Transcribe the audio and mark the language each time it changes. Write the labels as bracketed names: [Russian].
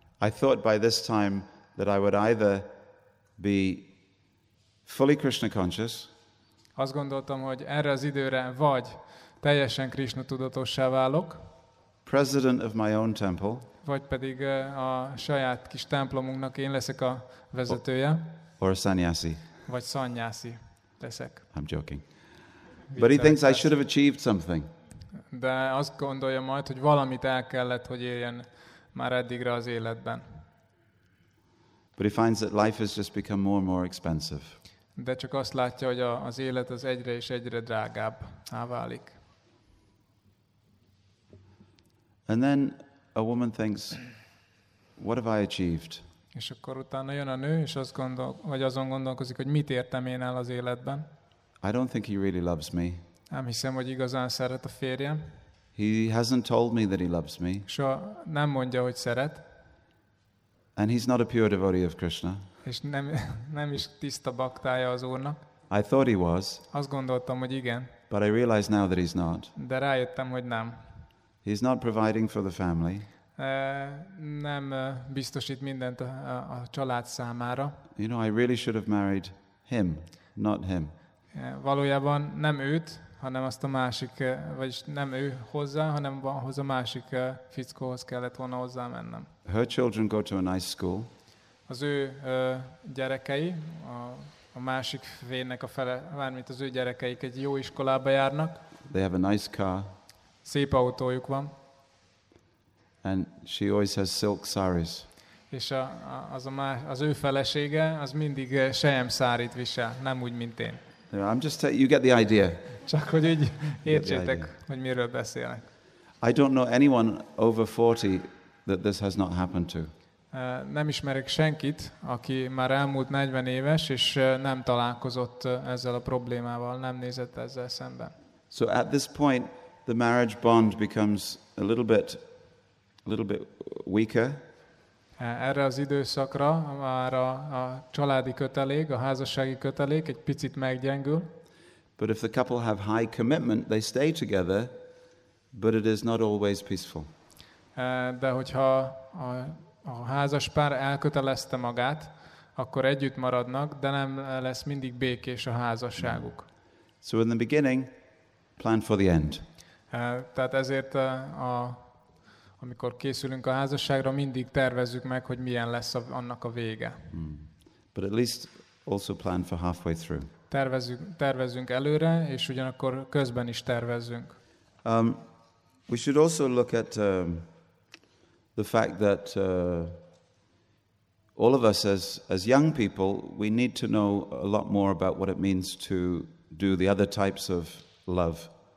[English] I thought by this time that I would either be fully Krishna conscious. [Hungarian] Azt gondoltam, hogy erre az időre vagy teljesen Krishna tudatossá válok. [English] President of my own temple. [Hungarian] Vagy pedig a saját kis templomunknak én leszek a vezetője. [English] Or a sannyasi. [Hungarian] Vagy sannyasi leszek. [English] I'm joking. But he thinks I should have achieved something. [Hungarian] De azt gondolja majd, hogy valamit el kellett, hogy éljen már eddigre az életben. [English] But he finds that life has just become more and more expensive. [Hungarian] De csak azt látja, hogy az élet az egyre és egyre drágább válik. [English] And then a woman thinks, what have I achieved? [Hungarian] És akkor utána jön a nő, és azt gondol, vagy azon gondolkozik, hogy mit értem én el az életben. [English] I don't think he really loves me. [Hungarian] Nem hiszem, hogy igazán szeret a férjem. [English] He hasn't told me that he loves me. [Hungarian] Soha nem mondja, hogy szeret. [English] And he's not a pure devotee of Krishna. [Hungarian] És nem is tiszta baktája az Úrnak. [English] I thought he was. [Hungarian] Azt gondoltam, hogy igen. [English] But I realize now that he's not. [Hungarian] De rájöttem, hogy nem. [English] He's not providing for the family. [Hungarian] Nem biztosít mindent a család számára. [English] You know, I really should have married him, not him. [Hungarian] Valójában nem őt, hanem azt a másik, vagyis nem ő hozzá, hanem ahhoz a másik fickóhoz kellett volna hozzá mennem. [English] Her children go to a nice school. [Hungarian] Az ő gyerekei, a másik vénnek a fele, mármint az ő gyerekeik egy jó iskolába járnak. [English] They have a nice car. [Hungarian] Szép autójuk van. [English] And she always has silk saris. [Hungarian] És az ő felesége, az mindig sejem szárit visel, nem úgy, mint én. [English] I'm just you get the idea. [Hungarian] Csak hogy így értsétek, hogy miről beszélek. [English] I don't know anyone over 40 that this has not happened to. [Hungarian] Nem ismerek senkit, aki már elmúlt 40 éves, és nem találkozott ezzel a problémával, nem nézett ezzel szemben. [English] So at this point, the marriage bond becomes a little bit weaker. [Hungarian] Erre az időszakra már a családi kötelék, a házassági kötelék egy picit meggyengül. [English] But if the couple have high commitment, they stay together, but it is not always peaceful. [Hungarian] De hogyha a házas pár elkötelezte magát, akkor együtt maradnak, de nem lesz mindig békés a házasságuk. [English] So in the beginning, plan for the end. [Hungarian] Tehát ezért amikor készülünk a házasságra, mindig tervezzük meg, hogy milyen lesz annak a vége. [English] But at least also plan for halfway through. [Hungarian] Tervezünk előre, és ugyanakkor közben is tervezzünk. [English] We should also look at the fact that all of us as young people, we need to know a lot more about what it means to do the other types of love.